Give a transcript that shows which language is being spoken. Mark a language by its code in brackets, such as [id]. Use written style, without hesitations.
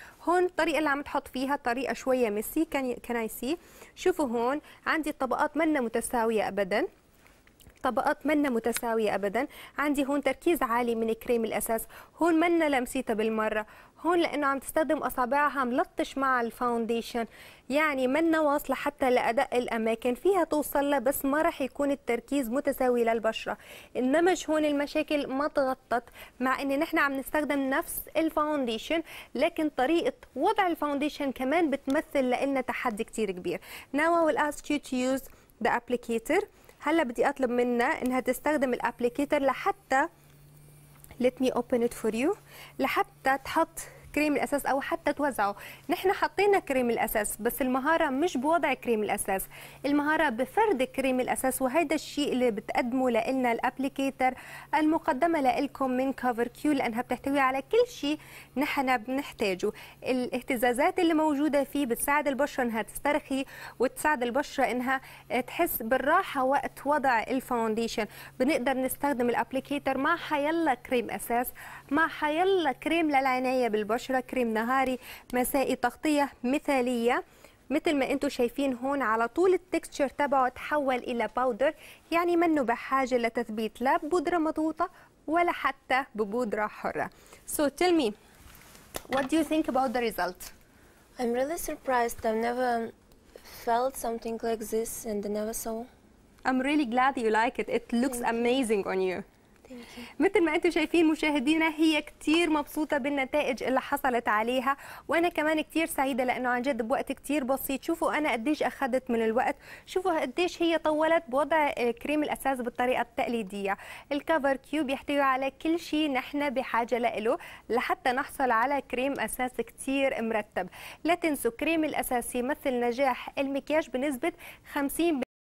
[ar] هون الطريقة اللي عم تحط فيها طريقه شويه ميسي، كان اي سي، شوفوا هون عندي الطبقات منا متساويه ابدا، طبقات منا متساوية أبدا، عندي هون تركيز عالي من كريم الأساس، هون منا لمسيتها بالمرة، هون لأنه عم تستخدم أصابعها ملطش مع الفاونديشن، يعني منا واصلة حتى لأدق الأماكن، فيها توصل لها بس ما رح يكون التركيز متساوي للبشرة. النمج هون المشاكل ما تغطت، مع إن نحن عم نستخدم نفس الفاونديشن، لكن طريقة وضع الفاونديشن كمان بتمثل لإلنا تحدي كتير كبير. [en] Now I will ask you to use the applicator. [ar] هلا بدي اطلب منا انها تستخدم الابليكيتر لحتى [en] let me open it for you [ar] لحتى تحط كريم الاساس او حتى توزعه. نحن حطينا كريم الاساس بس المهاره مش بوضع كريم الاساس، المهاره بفرد كريم الاساس، وهذا الشيء اللي بتقدمه لنا الابليكيتر المقدمه لكم من كفر كيو، لانها بتحتوي على كل شيء نحن بنحتاجه. الاهتزازات اللي موجوده فيه بتساعد البشره انها تسترخي وتساعد البشره انها تحس بالراحه وقت وضع الفاونديشن. بنقدر نستخدم الابليكيتر مع حيلا كريم اساس، مع حيلا كريم للعنايه بالبشره، كريم نهاري مسائي، تغطية مثالية مثل ما انتم شايفين هون على طول التكستشر تبعه تحول الى باودر، يعني منه بحاجه لتثبيت لا ببودره مضغوطه ولا حتى ببودره حره. [en] So tell me, what do you think about the result? I'm really surprised. I've never felt something like this and I never saw. I'm really glad you like it. It looks amazing on you. [ar] مثل ما انتم شايفين مشاهدينا، هي كتير مبسوطه بالنتائج اللي حصلت عليها، وانا كمان كتير سعيده لانه عن جد بوقت كتير بسيط شوفوا انا قديش اخذت من الوقت، شوفوا قديش هي طولت بوضع كريم الاساس بالطريقه التقليديه. الكفر كيوب يحتوي على كل شيء نحن بحاجه له لحتى نحصل على كريم اساس كتير مرتب. لا تنسوا كريم الاساس يمثل نجاح المكياج بنسبه 50%.